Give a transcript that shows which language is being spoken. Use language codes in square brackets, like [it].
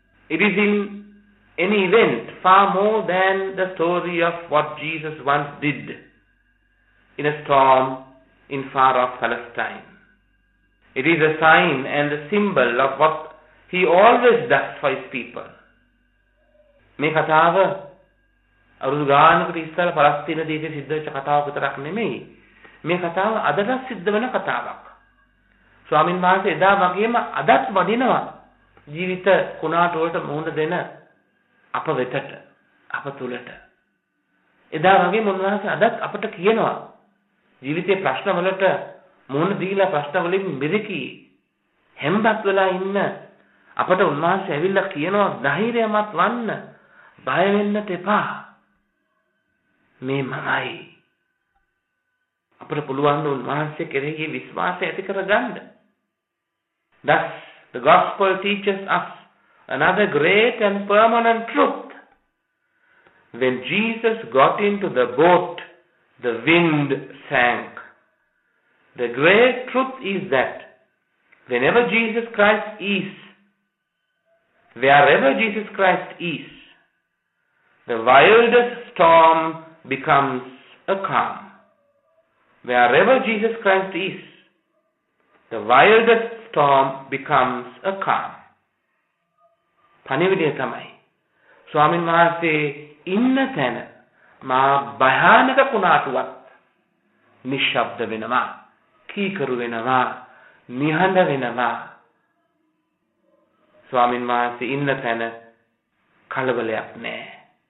[en] It is in any event far more than the story of what Jesus once did in a storm in far off Palestine. It is a sign and a symbol of what he always does for his people. [si] මේ කතාව අවුරුදු ගානකට ඉස්සර පලස්තින දීපේ සිද්ධ වෙච්ච කතාවක් විතරක් නෙමෙයි. මේ කතාව අදට සිද්ධ වෙන කතාවක්. ස්වාමින් වහන්සේ එදා වගේම අදත් වදිනවා ජීවිත කුණාට වලට මුහුණ දෙන අප වෙතට අප තුලට. එදා වගේම උන්වහන්සේ අදත් අපට කියනවා ජීවිතයේ ප්‍රශ්නවලට මුහුණ දීලා ප්‍රශ්නවලින් මිදෙකි හැම්බත් වෙලා ඉන්න අපට උන්වහන්සේ ඇවිල්ලා කියනවා ධෛර්යමත් වන්න බය වෙන්නට එපා මේ මමයි. අපට පුළුවන් උන්වහන්සේ කෙරෙහි විශ්වාසය ඇති කරගන්න. [en] Thus the gospel teaches us another great and permanent truth. When Jesus got into the boat, the wind sank. The great truth is that whenever Jesus Christ is, wherever Jesus Christ is, the wildest storm becomes a calm. wherever Jesus Christ is, the wildest storm becomes a calm. [si] පණිවිඩය තමයි. ස්වාමීන් වහන්සේ ඉන්න තැන මා භයානක කුණාටුවක් නිශ්ශබ්ද වෙනවා. කීකරු වෙනවා. නිහඬ වෙනවා. ස්වාමීන් වහන්සේ ඉන්න තැන කලබලයක් නැහැ.